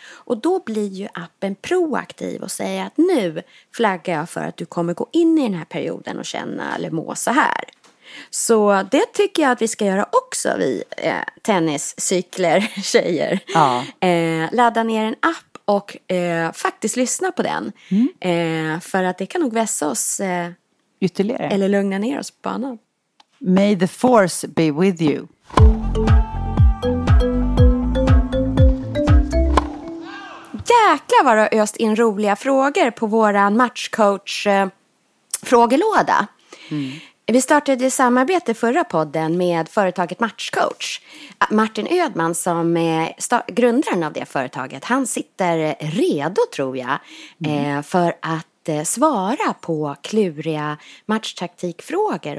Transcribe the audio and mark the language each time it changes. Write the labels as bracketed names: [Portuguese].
[Swedish] Och då blir ju appen proaktiv och säger att nu flaggar jag för att du kommer gå in i den här perioden och känna eller må så här. Så det tycker jag att vi ska göra också, vi tenniscykler tjejer. Ja. Ladda ner en app och faktiskt lyssna på den. För att det kan nog vässa oss ytterligare. Eller lugna ner oss på banan. [English] May the force be with you. [Swedish] Jäklar vad du har öst in roliga frågor på våran matchcoach-frågelåda. Vi startade ett samarbete förra podden med företaget Matchcoach. Martin Ödman, som är grundaren av det företaget, han sitter redo, tror jag, för att svara på kluriga matchtaktikfrågor.